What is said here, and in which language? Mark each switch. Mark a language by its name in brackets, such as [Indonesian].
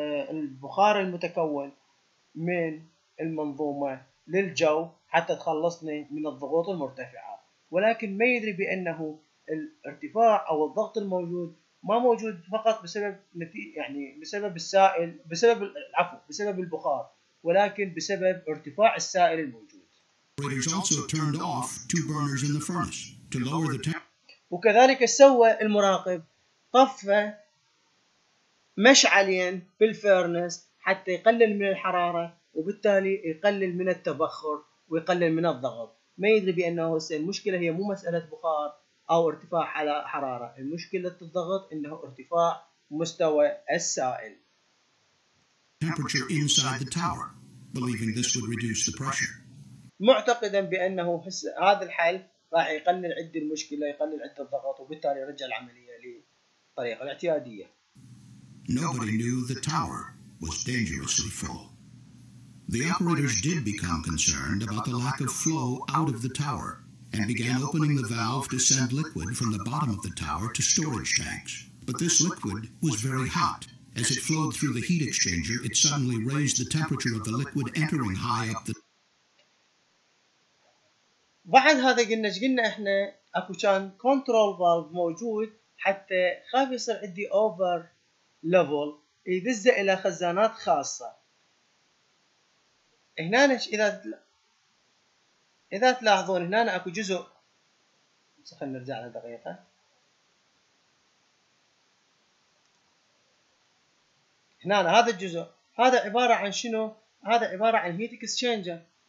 [Arabic] البخار المتكون من المنظومة للجو حتى تخلصني من الضغوط المرتفعة، ولكن ما يدري بانه الارتفاع او الضغط الموجود ما موجود فقط بسبب يعني بسبب السائل بسبب العفو بسبب البخار ولكن بسبب ارتفاع السائل الموجود. [English] Operators also turned off two burners in the furnace to lower the temperature. [Arabic] وكذلك سوى المراقب طفى مشعلين بالفيرنس حتى يقلل من الحرارة وبالتالي يقلل من التبخر ويقلل من الضغط. ما يدري بأنه المشكلة هي مو مسألة بخار أو ارتفاع على حرارة. المشكلة الضغط إنه ارتفاع مستوى السائل. [English] Temperature inside the tower, believing this would reduce the pressure. [Arabic] معتقدا بانه هذا الحل راح يقلل عندي المشكله يقلل عندي الضغط وبالتالي يرجع العمليه للطريقه الاعتياديه. [English] Nobody knew the tower was dangerously full. The operators did become concerned about the lack of flow out of the tower and began opening the valve to send liquid from the bottom of the tower to storage tanks. But this liquid was very hot. As it flowed through the heat exchanger, it suddenly raised the temperature of the liquid entering high up the... [Arabic] بعد هذا قلنا جينا احنا اكو كان كنترول فالف موجود حتى خاف يصير عندي اوفر ليفل يدز الى خزانات خاصه هنا اذا تلاحظون هنا اكو جزء خلينا نرجع له دقيقه هنا هذا الجزء هذا عباره عن شنو هذا عباره عن هيت اكسشينجر